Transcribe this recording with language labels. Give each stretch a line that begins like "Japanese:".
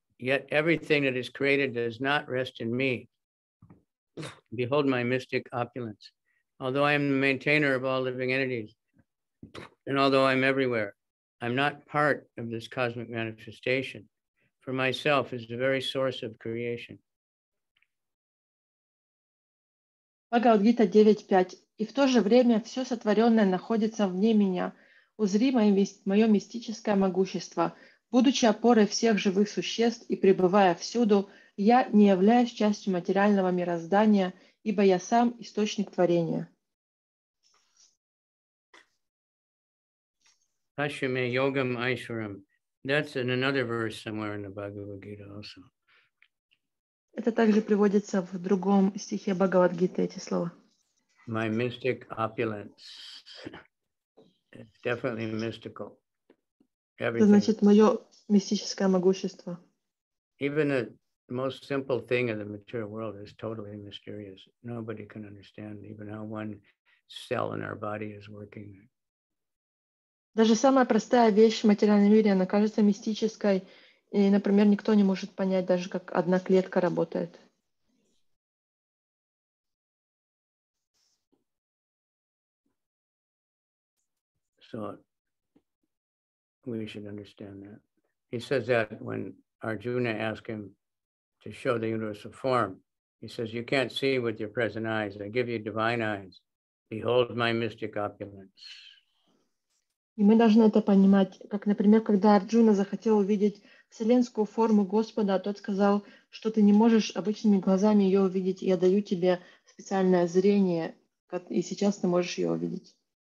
English: Yet everything that is created does not rest in me. Behold my mystic opulence. Although I am the maintainer of all living entities, and although I'm everywhere, I'm not part of this cosmic manifestation. For myself is the very source of creation.
Russian: Бхагавад-гита 9.5. И в то же время все сотворенное находится вне меня. Узри мое мистическое могущество. Будучи опорой всех живых существ и пребывая всюду, я не являюсь частью материального мироздания, ибо я сам источник творения.
Sanskrit: Пашьяме йогам айшварам.
English: That's in another verse somewhere in the Bhagavad Gita also.
Russian: Это также приводится в другом стихе Бхагавад Гиты эти слова.
English: My mystic opulence. It's definitely mystical.
Russian: Это значит мое мистическое могущество.
English: Even the most simple thing in the material world is totally mysterious. Nobody can understand even how one cell in our body is working.
Russian: Даже самая простая вещь в материальном мире, она кажется мистической, и, например, никто не может понять даже, как одна клетка работает.
English: So we should understand that. He says that when Arjuna asked him to show the universal form, he says, you can't see with your present eyes. I give you divine eyes. Behold my mystic opulence.
Russian: И мы должны это понимать, как, например, когда Арджуна захотел увидеть вселенскую форму Господа, тот сказал, что ты не можешь обычными глазами ее увидеть, я даю тебе специальное зрение, и сейчас ты можешь ее увидеть.